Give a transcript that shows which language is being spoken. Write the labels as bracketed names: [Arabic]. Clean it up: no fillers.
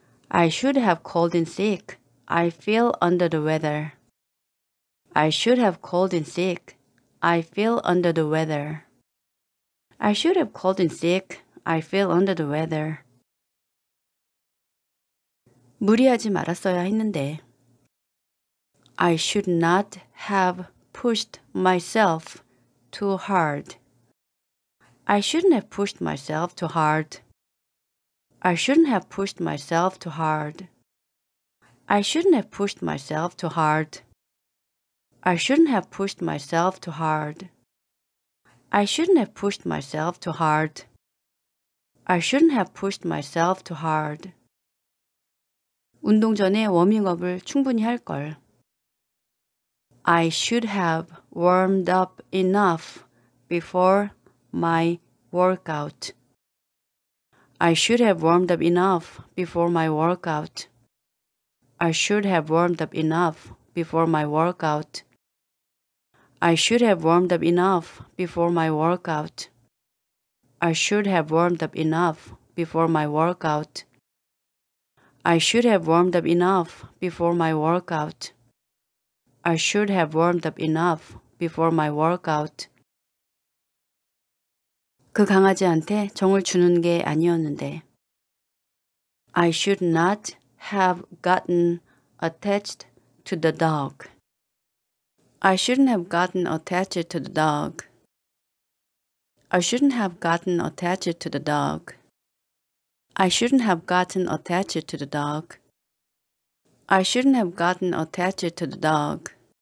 [English] I should have called in sick. I feel under the weather. I should have called in sick. I feel under the weather. I should have called in sick. I feel under the weather. [Korean] 무리하지 말았어야 했는데. [English] I should not have pushed myself too hard. I shouldn't have pushed myself too hard. I shouldn't have pushed myself too hard. I shouldn't have pushed myself too hard. I shouldn't have pushed myself too hard. I shouldn't have pushed myself too hard. I shouldn't have pushed myself too hard. [Korean] 운동 전에 워밍업을 충분히 할 걸. [English] I should have warmed up enough before my workout. I should have warmed up enough before my workout. I should have warmed up enough before my workout. I should have warmed up enough before my workout. I should have warmed up enough before my workout. I should have warmed up enough before my workout. I should have warmed up enough before my workout. [Korean] 그 강아지한테 정을 주는 게 아니었는데. [English] I should not have gotten attached to the dog. I shouldn't have gotten attached to the dog. I shouldn't have gotten attached to the dog. I shouldn't have gotten attached to the dog. I shouldn't have gotten attached to the dog.